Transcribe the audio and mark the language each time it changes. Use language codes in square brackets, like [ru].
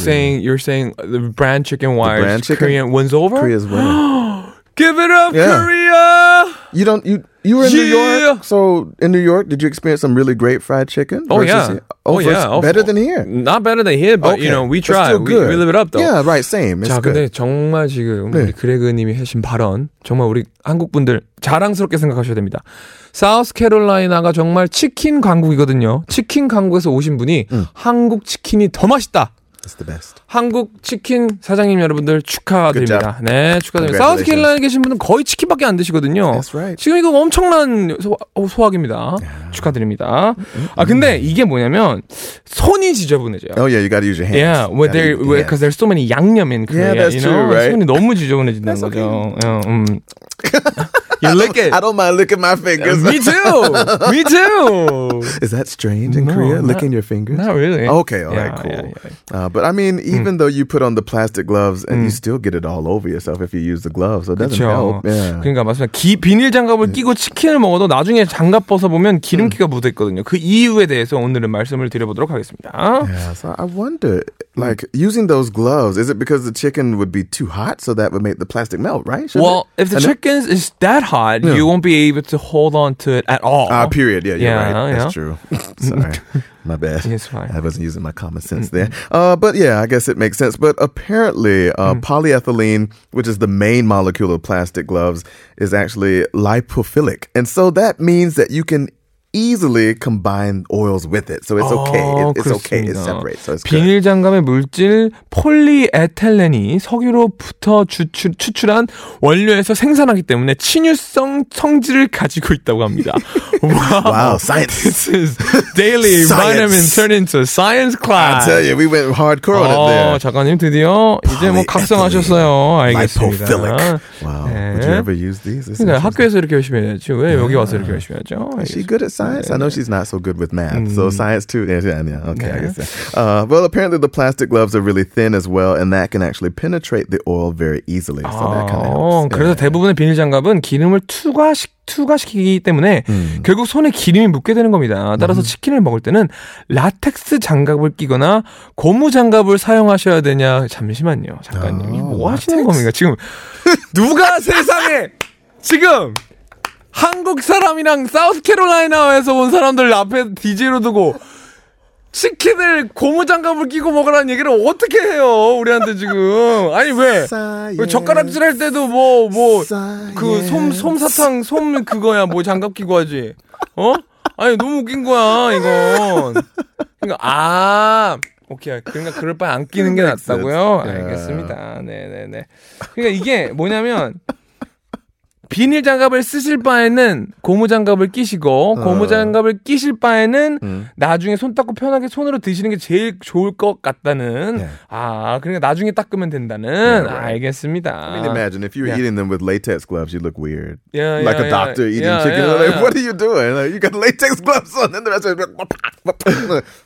[en] Saying you're saying the brand chicken wise, brand chicken, Korean wins over? Korea's winning. Give it up, Korea! You don't you were in New York. So in New York, did you experience some really great fried chicken? Better than here. Not better than here, but you know, we try. We live it up though. Yeah, right, same. It's [ko] 자, 근데 정말 지금 우리 그레그 님이 하신 발언 정말 우리 한국 분들 자랑스럽게 생각하셔야 됩니다. 사우스캐롤라이나가 정말 치킨 강국이거든요. 치킨 강국에서 오신 분이 한국 치킨이 더 맛있다. [en] It's the best. [ko] 한국 치킨 사장님 여러분들 축하드립니다. 네, 축하드립니다. 사우스캐롤라이나에 계신 분은 거의 치킨밖에 안 드시거든요. [en] That's right. [ko] 지금 이거 엄청난 소확입니다. [en] Yeah. [ko] 축하드립니다. 아, 근데 이게 뭐냐면 손이 지저분해져요. [en] Oh yeah, you gotta use your hands. Yeah, where there, because there's so many 양념 in Korea. Yeah, that's you know? true, right? [ko] 손이 너무 지저분해지는 [en] that's [ko] 거죠. [en] Okay. Yeah, You lick it. I don't mind licking my fingers. Me too. Me too. Is that strange in Korea? Licking your fingers? Not really. Okay. All right. Cool. Yeah. But I mean, even though you put on the plastic gloves, and you still get it all over yourself if you use the gloves. So it doesn't [ko] 그쵸. [en] help. Yeah. [ko] 그러니까 맞습니다. 비닐 장갑을 끼고 치킨을 먹어도 나중에 장갑 벗어 보면 기름기가 묻었거든요. 그 이유에 대해서 오늘은 말씀을 드려보도록 하겠습니다. [en] Yeah. So I wonder, like using those gloves, is it because the chicken would be too hot, so that would make the plastic melt, right? Well, if the chicken is that hot, you won't be able to hold on to it at all. Ah, period. Yeah, you're right. That's true. Sorry. My bad. It's fine. I wasn't using my common sense there. But yeah, I guess it makes sense. But apparently, polyethylene, which is the main molecule of plastic gloves, is actually lipophilic. And so that means that you can easily combine oils with it. So it's okay. It's okay. It separates. So it's [ko] 비닐 장갑의 물질 폴리에틸렌이 석유로부터 추출한 원료에서 생산하기 때문에 친유성 성질을 가지고 있다고 합니다. [en] Wow, science. This is daily vitamin turn into a science class. I tell you, we went hardcore on it there. [ko] 작가님 드디어 이제 뭐 각성하셨어요. 알겠습니다. [en] Lipophilic. Wow. [ko] 네. [en] Would you she ever use these? [ko] 그러니까 학교에서 이렇게 열심히 해야지. 왜 여기 와서 이렇게 열심히 하죠? [en] Is she good at science? I know she's not so good with math. So science too. Yeah, yeah, yeah. Okay, I guess that. Well, apparently the plastic gloves are really thin as well, and that can actually penetrate the oil very easily. So that kind of helps. [ko] 그래서 대부분의 비닐 장갑은 기름을 투과시키기 때문에 결국 손에 기름이 묻게 되는 겁니다. 따라서 치킨을 먹을 때는 라텍스 장갑을 끼거나 고무 장갑을 사용하셔야 되냐. 잠시만요. 작가님. 뭐 하시는 라텍스. 겁니까? 지금 누가 세상에 지금 한국 사람이랑 사우스캐롤라이나에서 온 사람들 앞에 DJ로 두고 치킨을 고무장갑을 끼고 먹으라는 얘기를 어떻게 해요 우리한테 지금. 아니 왜 젓가락질 할 때도 뭐 그 솜사탕 솜 그거야 뭐 장갑 끼고 하지. 어? 아니 너무 웃긴 거야 이건. 그러니까 오케이. 그러니까 그럴 바에 안 끼는 게 낫다고요? 알겠습니다. 네네네. 그러니까 이게 뭐냐면 비닐 장갑을 쓰실 바에는 고무 장갑을 끼시고 고무 장갑을 끼실 바에는 나중에 손 닦고 편하게 손으로 드시는 게 제일 좋을 것 같다는. [en] Yeah. [ko] 아, 그러니까 나중에 닦으면 된다는. [en] Yeah, right. [ko] 알겠습니다. [en] I mean, imagine if you were eating them with latex gloves, you'd look weird. Yeah, like a doctor eating chicken. Yeah, like, what are you doing? Like, you got latex gloves on, and the rest of it's like.